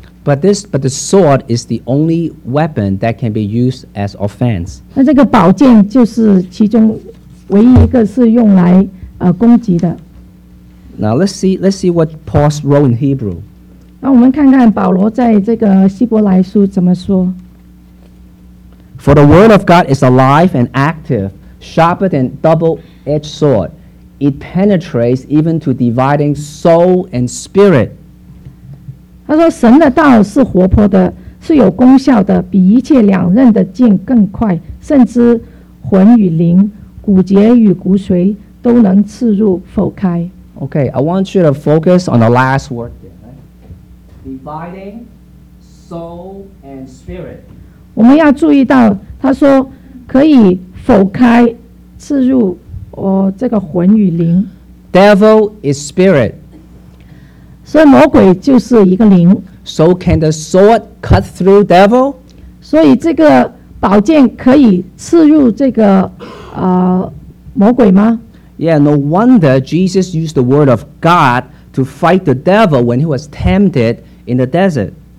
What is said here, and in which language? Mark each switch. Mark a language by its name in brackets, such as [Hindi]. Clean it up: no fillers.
[English] But the sword is the only weapon that can be used as offense. [Chinese] 那这个宝剑就是其中唯一一个是用来攻击的。 [English] Now let's see what Paul wrote in Hebrew. [Chinese] 那我们看看保罗在这个希伯来书怎么说。 [English] For the word of God is alive and active, sharper than double-edged sword. It penetrates even to dividing soul and spirit. [Chinese] 他说神的道是活泼的，是有功效的，比一切两刃的剑更快，甚至魂与灵、骨节与骨髓都能刺入剖开。 [English] Okay, I want you to focus on the last word there, right? Dividing soul and spirit. [Chinese] 我们要注意到他说可以剖开刺入这个魂与灵。 [English] Devil is spirit. [Chinese] 所以魔鬼就是一个灵。 [English] So can the sword cut through devil? [Chinese] 所以这个宝剑可以刺入这个魔鬼吗？ [English] Yeah, no wonder Jesus used the word of God to fight the devil when he was tempted in the desert.